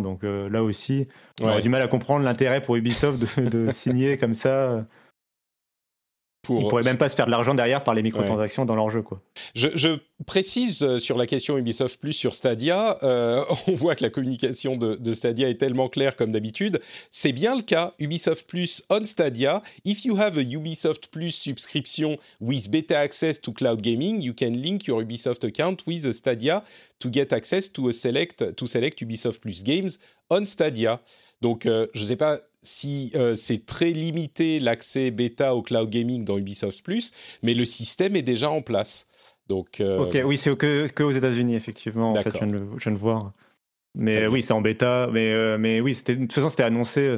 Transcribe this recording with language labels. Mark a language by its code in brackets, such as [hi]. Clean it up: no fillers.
[fr] Donc là aussi, ouais, on aurait du mal à comprendre l'intérêt pour Ubisoft de signer comme ça. Ils pourraient même pas se faire de l'argent derrière par les microtransactions, ouais, dans leur jeu, quoi. Je précise sur la question Ubisoft Plus sur Stadia, on voit que la communication de Stadia est tellement claire comme d'habitude. C'est bien le cas, Ubisoft Plus on Stadia. [en] If you have a Ubisoft Plus subscription with beta access to cloud gaming, you can link your Ubisoft account with Stadia to get access to select Ubisoft Plus games on Stadia. [fr] Donc, je sais pas si c'est très limité l'accès bêta au cloud gaming dans Ubisoft Plus, mais le système est déjà en place. Donc, Ok, oui, c'est que aux États-Unis effectivement. D'accord. En fait, je viens de voir. Mais oui, c'est en bêta. Mais oui, c'était, de toute façon, c'était annoncé.